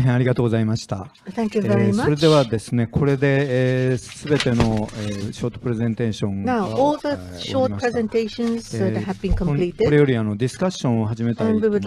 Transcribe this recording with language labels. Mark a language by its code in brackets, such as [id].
[ja] 変ありがとうございました。それではですね、これで、全ての、ショートプレゼンテーション [en] が Now, all the short presentations that have been completed. [ja] これよりディスカッションを始めたいと思います。